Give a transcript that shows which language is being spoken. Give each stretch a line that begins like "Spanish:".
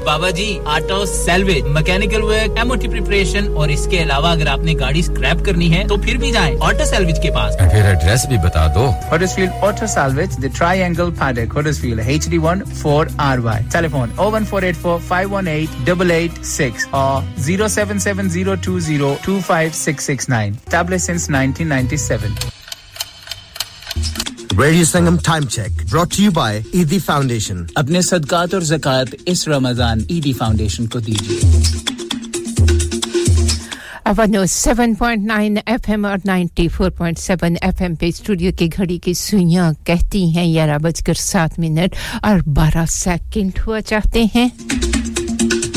Hindi: बाबा जी auto salvage mechanical work, MOT preparation और इसके अलावा अगर आपने गाड़ी स्क्रैप करनी है तो फिर भी जाएं ऑटो सेल्वेज के पास। फिर एड्रेस भी बता दो। Huddersfield auto salvage, the triangle paddock, Huddersfield, HD1 4RY, telephone 01484518886 और 07702025669,
English: tablet since
Hindi: 1997।
English: Radio Sangam Time Check, brought to you by ED Foundation.
Hindi: अपने सदकात और ज़कात इस रमज़ान ED Foundation को दीजिए. अवनो 7.9 FM और 94.7 FM पे स्टूडियो की घड़ी की सुइयां कहती हैं 11:07 हुआ चाहते हैं.